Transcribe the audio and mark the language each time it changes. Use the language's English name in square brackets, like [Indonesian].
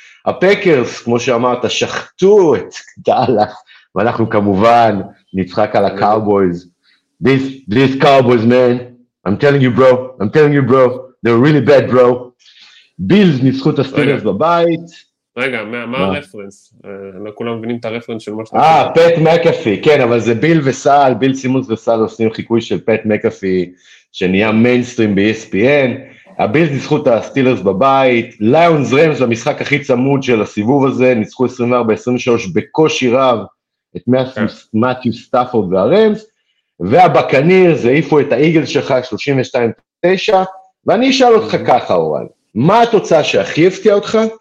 [Hebrew] הפקרס, כמו שאמרת, שחטו את דאלאס, ואנחנו כמובן נצחק על הקאובויז. [English] This cowboys, man, I'm telling you, bro, they're really bad, bro. [Hebrew] בילס ניצחו את הסטילרס בבית. רגע, מה הרפרנס? לא כולם מבינים את הרפרנס של מה שאתה... פט מקאפי, כן, אבל זה ביל וסל, ביל סימונס וסל עושים חיקוי של פט מקאפי, שנהיה מיינסטרים ב-ESPN, הביל ניצחו את הסטילרס בבית, ליונס רמס, המשחק הכי צמוד של הסיבוב הזה, ניצחו 24-23 בקושי רב, את מתיו סטאפורד והרמס, והבקניר, זה העיפו את האיגל שלך, 32-9, ואני אשאל אותך ככה, אורן, מה התוצאה שהכי הפתיע אותך?